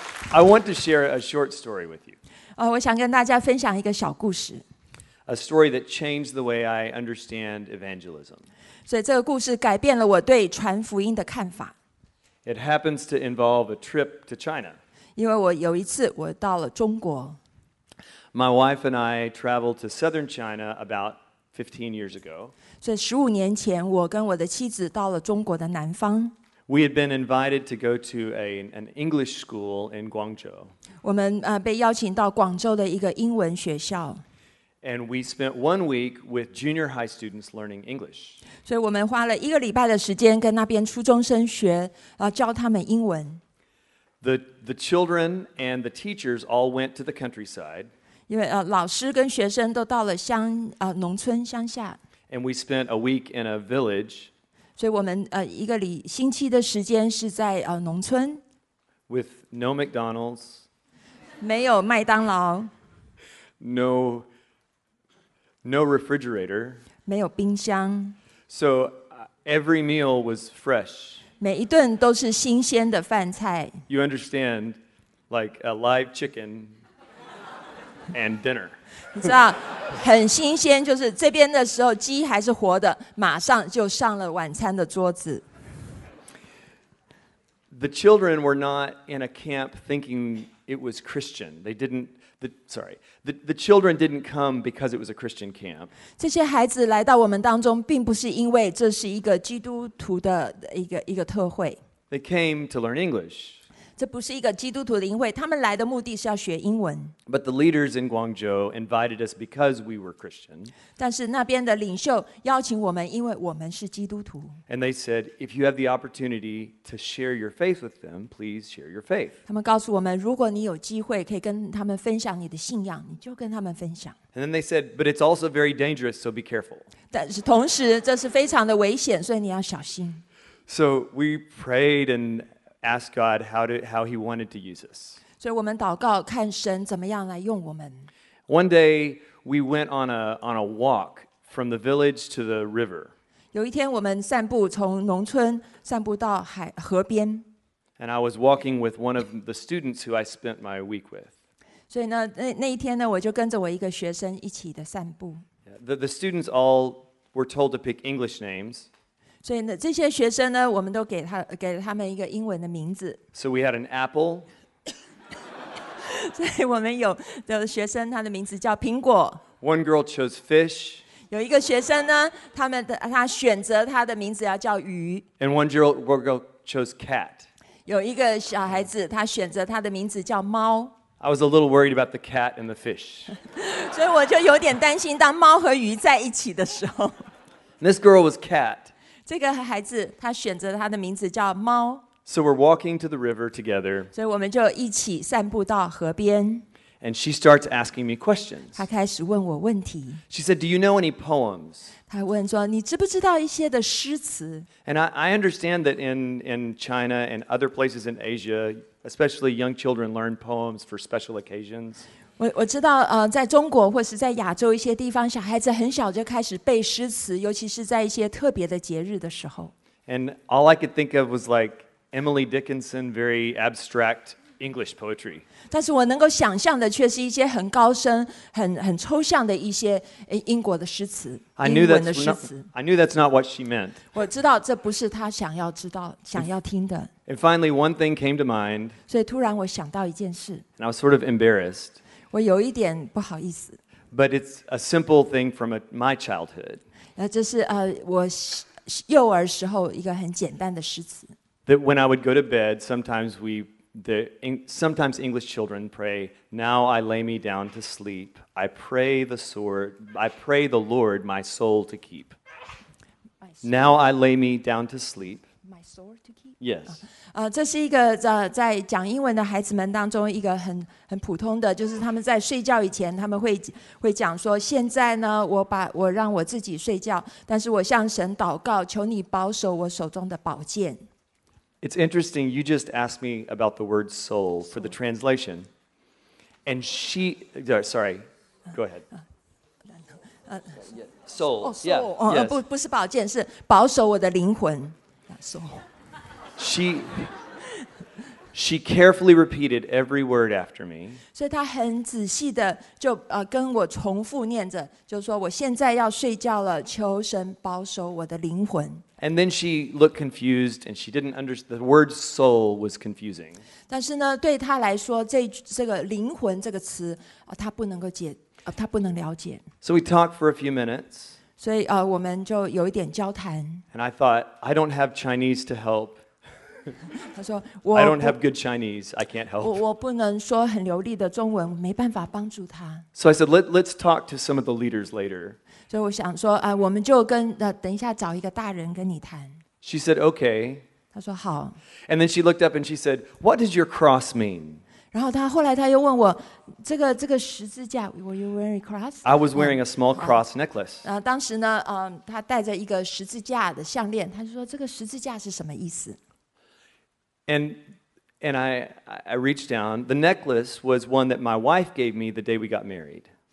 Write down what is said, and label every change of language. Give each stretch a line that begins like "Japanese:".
English: I want to share a short story with you.
Chinese: 我想跟大家分享一个小故事。
English: A story that changed the way I understand evangelism.
Chinese: 所以这个故事改变了我对传福音的看法。
English: It happens to involve a trip to China.
Chinese: 因为我有一次我到了中国。
English: My wife and I traveled to southern China about 15 years ago.
Chinese: 所以15年前我跟我的妻子到了中国的南方。
English: We had been invited to go to an English school in Guangzhou.
Chinese: 我们被邀请到广州的一个英文学校。
English: And we spent 1 week with junior high students learning English.
Chinese: 所以我们花了一个礼拜的时间跟那边初中生学，教他们英文。
English: The children and the teachers all went to the countryside.
Chinese: 因为老师跟学生都到了农村乡下。
English: And we spent a week in a village.
Chinese: 所以我们一个星期的时间是在农村
English: ，with no McDonald's，
Chinese: 没有麦当劳
English: ，no refrigerator，
Chinese: 没有冰箱
English: ，so every meal was fresh，
Chinese: 每一顿都是新鲜的饭菜
English: ，you understand， like a live chicken and dinner。
Chinese: 你知道，很新鲜，就是这边的时候鸡还是活的，马上就上了晚餐的桌子。
English: The children were not in a camp thinking it was Christian. They didn't. The children didn't come because it was a Christian camp.
Chinese: 这些孩子来到我们当中，并不是因为这是一个基督徒的一个特会。
English: They came to learn English.
Chinese: 这不是一个基督徒的营会，他们来的目的是要学英文。
English: But the leaders in Guangzhou invited us because we were Christian.
Chinese: 但是那边的领袖邀请我们，因为我们是基督徒。
English: And they said, if you have the opportunity to share your faith with them, please share your faith.
Chinese: 他们告诉我们，如果你有机会可以跟他们分享你的信仰，你就跟他们分享。
English: And then they said, but it's also very dangerous, so be careful.
Chinese: 但是同时，这是非常的危险，所以你要小心。
English: So we prayed and. Ask God how He wanted to use us.
Chinese: 所以我们祷告，看神怎么样来用我们。
English: One day we went on a walk from the village to the river.
Chinese: 有一天我们散步从农村散步到海河边。
English: And I was walking with one of the students who I spent my week with.
Chinese: 所以呢，那一天呢，我就跟着我一个学生一起的散步。
English: The students all were told to pick English names.
Chinese: 所以呢，这些学生呢，我们都给了他们一个英文的名字。
English: So we had an apple.
Chinese: 所以我们有的学生他的名字叫苹果。
English: One girl chose fish.
Chinese: 有一个学生呢，他选择他的名字要叫鱼。
English: And one girl chose cat.
Chinese: 有一个小孩子，他选择他的名字叫猫。
English: I was a little worried about the cat and the fish.
Chinese: 所以我就有点担心，当猫和鱼在一起的时候。
English: This girl was cat.
Chinese: 这个孩子，他选择他的名字叫猫。
English: So we're walking to the river together.
Chinese: 所以我们就一起散步到河边。
English: And she starts asking me questions.
Chinese: 她开始问我问题。
English: She said, "Do you know any poems?"
Chinese: 她问说，你知不知道一些的诗词？
English: And I understand that in China and other places in Asia, especially young children learn poems for special occasions.
Chinese: 我知道，在中国或是在亚洲一些地方，小孩子很小就开始背诗词，尤其是在一些特别的节日的时候。
English: And all I could think of was like Emily Dickinson, very abstract. English poetry.
Chinese: 但是我能够想象的却是一些很高深、很抽象的一些英国的诗词，英文的诗词。
English: I knew that's not what she meant.
Chinese: 我知道这不是她想要知道、想要听的。
English: And finally, one thing came to mind.
Chinese: 所以突然我想到一件事。
English: And I was sort of embarrassed.
Chinese: 我有一点不好意思。
English: But it's a simple thing from my childhood.
Chinese: 这是我幼儿时候一个很简单的诗词。
English: That when I would go to bed, sometimes sometimes English children pray, "Now I lay me down to sleep. I pray the Lord my soul to keep." Now I lay me down to sleep. My soul to keep. Yes.
Chinese: 这是一个在讲英文的孩子们当中一个很普通的，就是他们在睡觉以前，他们会讲说，现在呢，我让我自己睡觉，但是我向神祷告，求你保守我手中的宝剑。
English: It's interesting, you just asked me about the word soul for the translation. And she, sorry, go ahead. Soul, yeah. Soul. Yes.
Chinese: 不是宝剑，是保守我的灵魂。
English: Soul. She carefully repeated every word after me.
Chinese: 所以她很仔细的就跟我重复念着，就说我现在要睡觉了，求神保守我的灵魂。
English: And then she looked confused, and she didn't understand. The word soul was confusing.
Chinese: 但是呢，对她来说，这个灵魂这个词，她不能够解，她不能了解。
English: So we talked for a few minutes.
Chinese: 所以我们就有一点交谈。
English: And I thought, I don't have Chinese to help.
Chinese: 她说，
English: I don't have good Chinese. I can't help.
Chinese: 我不能说很流利的中文，没办法帮助她。
English: So I said, let's talk to some of the leaders later.
Chinese: 所以我想说，我们就跟等一下找一个大人跟你谈。
English: She said, "Okay."
Chinese: 她说好。
English: And then she looked up and she said, "What does your cross mean?"
Chinese: 然后她后来她又问我，这个十字架 ，
English: Were you wearing a cross? I was wearing a small cross necklace.
Chinese: 当时呢，她戴着一个十字架的项链，她就说这个十字架是什么意思
English: ？And I reached down. The necklace was one that my wife gave me the day we got married.